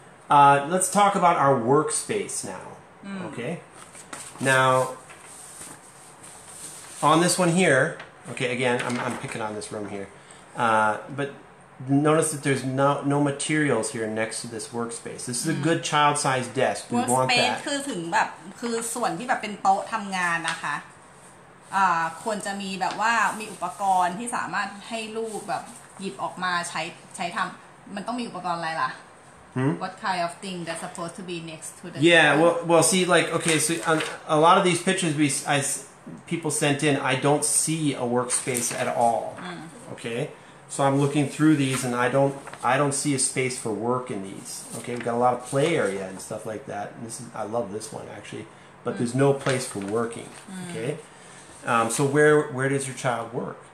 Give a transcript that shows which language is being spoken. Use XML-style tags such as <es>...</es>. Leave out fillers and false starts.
<en>Let's talk about our workspace now. Mm. Okay. Now, on this one here, okay, again, I'm picking on this room here. But notice that there's no materials here next to this workspace. This is a good child-sized desk. We want that.</en> <th>Workspace คือถึงแบบคือส่วนที่แบบเป็นโต๊ะทำงานนะคะควรจะมีแบบว่ามีอุปกรณ์ที่สามารถให้ลูกแบบหยิบออกมาใช้ทำมันต้องมีอุปกรณ์อะไรล่ะ</th> <en>What kind of thing that's supposed to be next to the Yeah table? well see like okay so a lot of these pictures people sent in I don't see a workspace at all okay so I'm looking through these and I don't see a space for work in these okay we've got a lot of play area and stuff like that and I love this one actually but there's no place for working okay so where does your child work?</en>